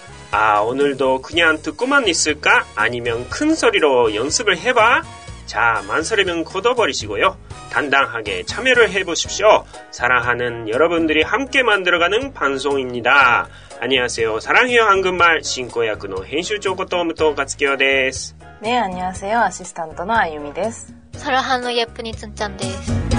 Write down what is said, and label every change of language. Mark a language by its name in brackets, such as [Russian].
[Korean] 아, 오늘도 그냥 듣고만 있을까? 아니면 큰 소리로 연습을 해봐? 자, 만설이면 걷어버리시고요. 당당하게 참여를 해보십시오. 사랑하는 여러분들이 함께 만들어가는 방송입니다. 안녕하세요. [Japanese] 사랑해요 한국말 進行役の 編集長こと武藤勝清です。 [Korean] 네, 안녕하세요. 아시스턴트의 아유미です。 사랑하는 예쁜이 춘짠です。